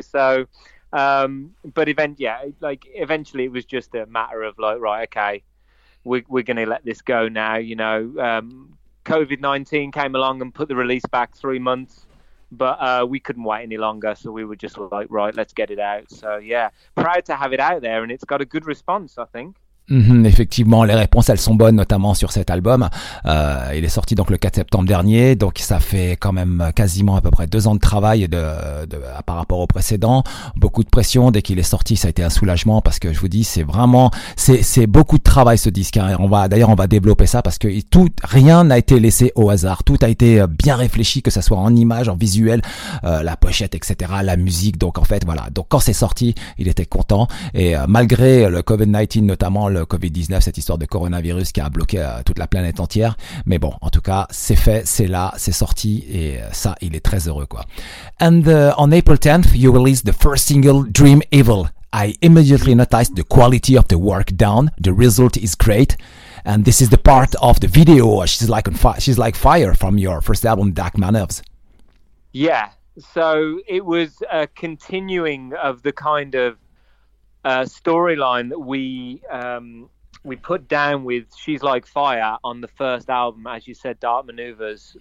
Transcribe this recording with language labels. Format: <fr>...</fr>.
<en>So, eventually it was just a matter of like, right, okay, we're going to let this go now, you know. COVID-19 came along and put the release back 3 months, but we couldn't wait any longer, so we were just like, right, let's get it out. So yeah, proud to have it out there, and it's got a good response, I think.</en> <fr>Effectivement, les réponses, elles sont bonnes, notamment sur cet album. Il est sorti donc le 4 septembre dernier, donc ça fait quand même quasiment à peu près 2 ans de travail par rapport au précédent. Beaucoup de pression dès qu'il est sorti, ça a été un soulagement parce que je vous dis, c'est beaucoup de travail ce disque. Hein. On va développer ça parce que rien n'a été laissé au hasard, tout a été bien réfléchi, que ça soit en image, en visuel, la pochette, etc., la musique. Donc en fait, voilà. Donc quand c'est sorti, il était content et malgré le COVID-19 notamment. Le Covid-19, cette histoire de coronavirus qui a bloqué toute la planète entière. Mais bon, en tout cas, c'est fait, c'est là, c'est sorti et ça, il est très heureux, quoi.</fr> <en>And on April 10th, you released the first single, Dream Evil. I immediately noticed the quality of the work done. The result is great. And this is the part of the video. She's like fire from your first album, Dark Manoeuvres. Yeah, so it was a continuing of the kind of storyline that we put down with She's Like Fire on the first album, as you said, Dark Manoeuvres.</en>